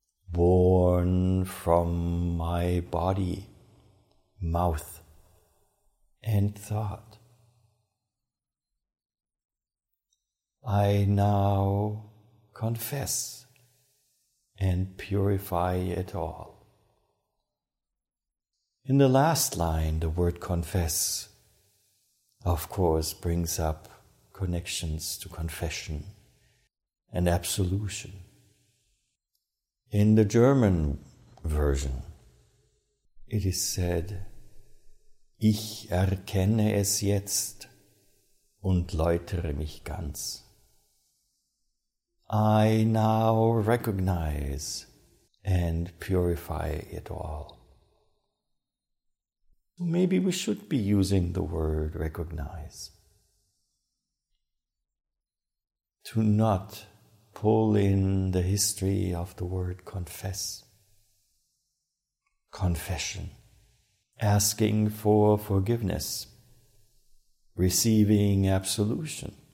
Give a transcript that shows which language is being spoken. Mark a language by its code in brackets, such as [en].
[en] born from my body, mouth, and thought, I now confess and purify it all. In the last line, the word confess, of course, brings up connections to confession and absolution. In the German version, it is said, [de] Ich erkenne es jetzt und läutere mich ganz. [en] I now recognize and purify it all. Maybe we should be using the word recognize to not pull in the history of the word confess, confession, asking for forgiveness, receiving absolution.